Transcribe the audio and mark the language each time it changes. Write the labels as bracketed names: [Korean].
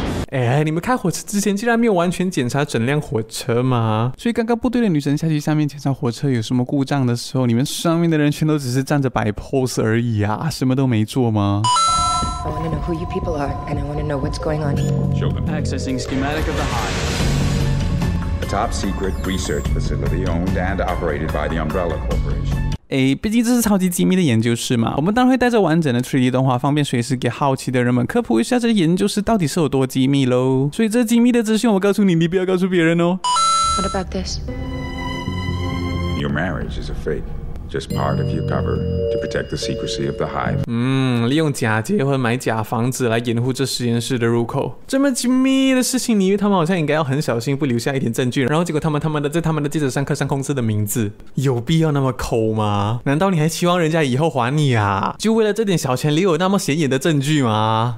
[Chinese] 哎，你们开火车之前竟然没有完全检查整辆火车吗？所以刚刚部队的女神下去下面检查火车有什么故障的时候，你们上面的人全都只是站着摆 pose 而已啊，什么都没做吗？ [English] I want to know who you people are and I want to know what's going on. Show them. Accessing schematic of the hive. A top secret research facility owned and operated by the Umbrella Corporation. [Chinese] 诶，毕竟这是超级机密的研究室嘛，我们当然会带着完整的 3D 动画，方便随时给好奇的人们科普一下这研究室到底是有多机密咯。所以这机密的资讯我告诉你，你不要告诉别人哦。 [English] What about this? Your marriage is a fake, just part of your cover to protect the secrecy of the hive. [Chinese] 利用假结婚买假房子来掩护这实验室的入口。这么机密的事情，你以为他们好像应该要很小心，不留下一点证据？然后结果他们的在他们的记者上刻上公司的名字，有必要那么抠吗？难道你还期望人家以后还你啊？就为了这点小钱，留有那么显眼的证据吗？